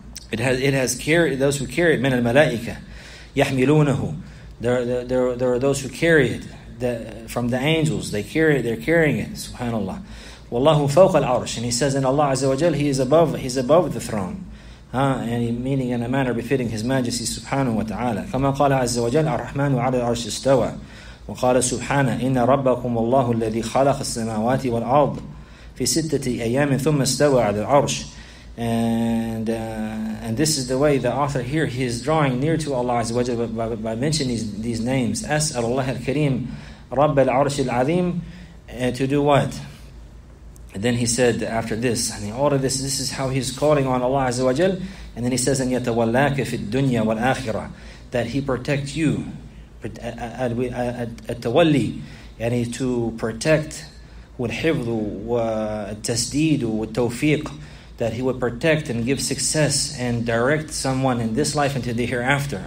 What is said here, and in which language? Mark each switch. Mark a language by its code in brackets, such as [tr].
[en] It has carry those who carry it. [ar] Min al malaika yahmilunahu. [en] There are those who carry it from the angels. They carry it. They're carrying it. Subhanallah. [ar] Wallahu fawq al arsh. [en] And he says, in Allah Azza wa Jal, He's above the throne. And meaning in a manner befitting His Majesty Subhanahu wa Ta'ala. [ar] كما قال عز وجل الرحمن على العرش استوى وقال سبحانه إن ربكم الله الذي خلق السماوات والأرض في ستة أيام ثم استوى على العرش. [en] And this is the way the author here, he is drawing near to Allah عز وجل by mentioning these names. [ar] أسأل الله الكريم رب العرش العظيم [en] to do what? And then he said, after this, and he ordered this, this is how he's calling on Allah Azza wa Jal. And then he says, "And [ar] yatawallaka fi dunya wal akhirah," [en] that He protect you, at-tawalli, and He to protect, [ar] wal hifdhu wa tasdeed wa tawfiq, [en] that He would protect and give success and direct someone in this life into the hereafter.